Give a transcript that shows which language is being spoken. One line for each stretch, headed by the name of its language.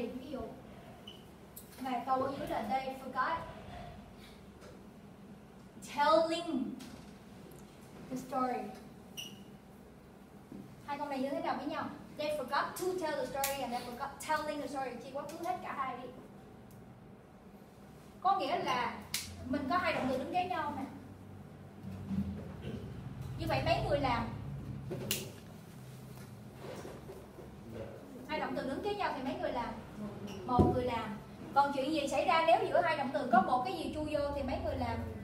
Vietnamese: Ví dụ mà câu ở dưới là
English: they forgot telling the story.
Vietnamese: Hai câu này như thế nào với nhau?
English: They forgot to tell the story and they forgot telling the story.
Vietnamese: Chị quá khứ hết cả hai đi. Có nghĩa là mình có hai động từ đứng kế nhau nè. Như vậy mấy người làm? Hai động từ đứng kế nhau thì mấy người làm? Một người làm. Còn chuyện gì xảy ra nếu giữa hai động từ có một cái gì chui vô thì mấy người làm?